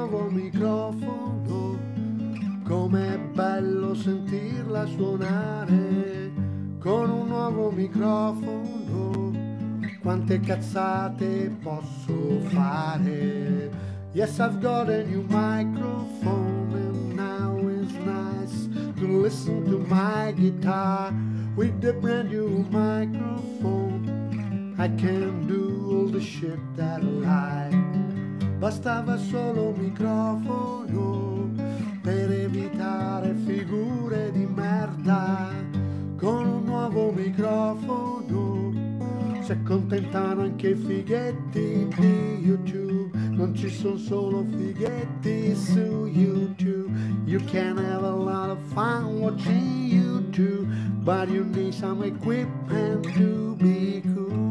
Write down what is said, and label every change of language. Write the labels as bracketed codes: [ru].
[it] microfono, com'è bello sentirla suonare con un nuovo microfono, quante cazzate posso fare. [en] Yes, I've got a new microphone and now it's nice to listen to my guitar. With the brand new microphone I can do all the shit that I like. [it] Bastava solo un microfono per evitare figure di merda. Con un nuovo microfono si accontentano anche i fighetti di YouTube. Non ci sono solo fighetti su YouTube. [en] You can have a lot of fun watching YouTube, but you need some equipment to be cool.